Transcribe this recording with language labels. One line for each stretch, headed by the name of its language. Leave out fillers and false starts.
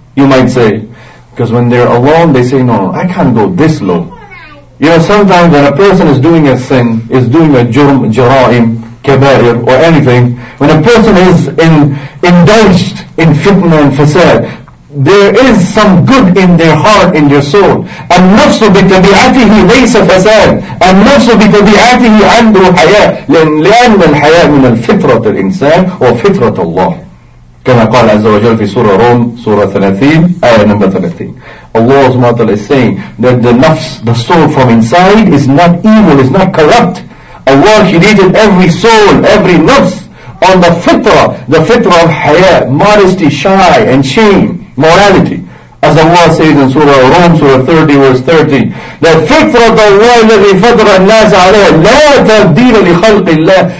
English: You might say, because when they're alone, they say, no, I can't go this low. You know, sometimes when a person is doing a sin, is doing a jurm, jara'im, kabair, or anything, when a person is indulged in fitna and fasad, there is some good in their heart, in their soul.
Arabic: النفس بطبيعته ليس فساد. النفس بطبيعته عنده حياة. لأن الحياة من الفطرة الإنسان وفطرة الله. كما قال عز وجل في سورة روم سورة 30 آية نمبر 30.
English: Allah SWT is saying that the nafs, the soul from inside, is not evil, is not corrupt. Allah created every soul, every nafs on the fitrah of haya, modesty, shy and shame, morality. As Allah says in Surah Rum, Surah 30, verse 30, that fitrah of Allah
Arabic: الذي فطر الناس عليه لا تبديل لخلق الله.